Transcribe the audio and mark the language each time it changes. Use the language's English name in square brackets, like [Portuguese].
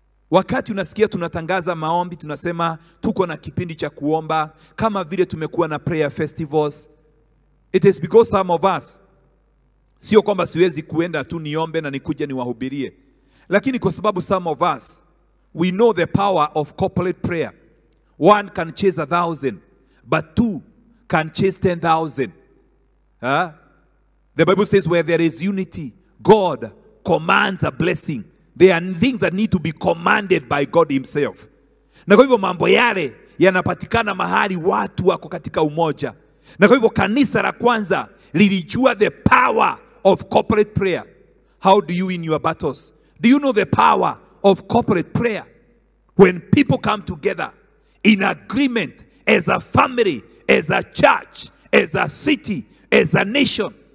[Swahili] Wakati unasikia tunatangaza maombi, tunasema tuko na kipindi cha kuomba, kama vile tumekuwa na [English] prayer festivals, it is because some of us, [Swahili] sio kwamba siwezi kuenda tu niombe na nikuje niwahubirie, lakini kwa sababu [English] some of us, we know the power of corporate prayer. One can chase 1,000, but two can chase 10,000. Huh? The Bible says where there is unity, God commands a blessing. There are things that need to be commanded by God himself. [Swahili] Na kwa hivyo mambo yale yanapatikana mahali watu wako katika umoja. Na kwa hivyo kanisa la kwanza lilijua [English] the power of corporate prayer. How do you win your battles? Do you know the power of corporate prayer? When people come together in agreement as a family, as a church, as a city, as a nation.